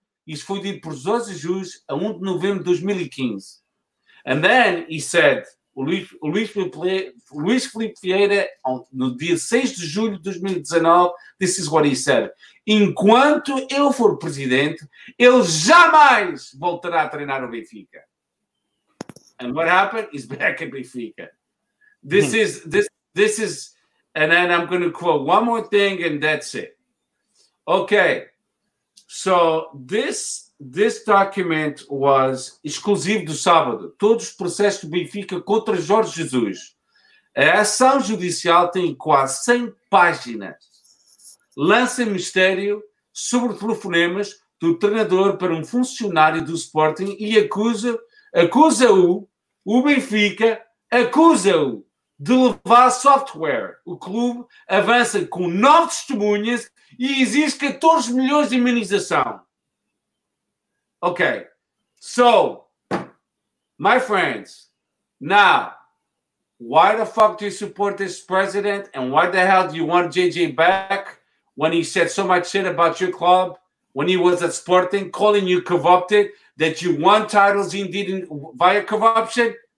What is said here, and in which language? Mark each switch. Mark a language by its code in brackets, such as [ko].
[pt] Isso foi dito por José Jus a 1 de novembro de 2015. [en] And then he said, Luis Felipe Vieira, [pt] no dia 6 de julho de 2019, [en] this is what he said. [pt] Enquanto eu for presidente, ele jamais voltará a treinar o Benfica. [en] And what happened? He's back at Benfica. This is, and then I'm going to quote one more thing, and that's it. Okay, so this document was exclusive [pt] do sábado. Todos os processos do Benfica contra Jorge Jesus. A ação judicial tem quase 100 páginas. Lança mistério sobre telefonemas do treinador para um funcionário do Sporting e acusa o Benfica de levar software. O clube avança com 9 testemunhas e exige 14 milhões de imunização. [en] Okay. So, my friends, now, why the fuck do you support this president and why the hell do you want JJ back when he said so much shit about your club when he was at Sporting, calling you corrupted, that you won titles indeed via corruption?